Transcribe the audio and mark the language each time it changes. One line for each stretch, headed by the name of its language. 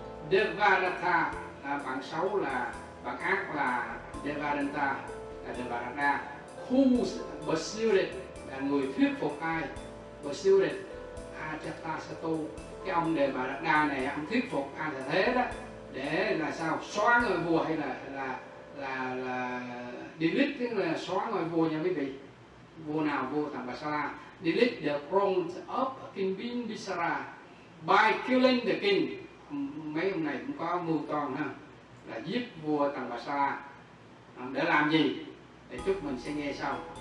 Vietnamese: Devadatta, bạn xấu là, bạn ác là Devadatta, là Devadatta,
English: who pursued it,
Vietnamese: là người thuyết phục ai, pursued it, Ajatasattu, cái ông đề bà đặt đa này, ông thuyết phục Ajatasattu đó để là sao, xóa ngôi vua, hay là delete, tức là xóa ngôi vua nha quý vị. Vua nào? Vua thằng Bà Sa La.
English: Delete the throne of King Bimbisara by killing the king.
Vietnamese: Mấy ông này cũng có mưu toan ha, là giết vua thằng Bà Sa La để làm gì, để chúc mình sẽ nghe sau.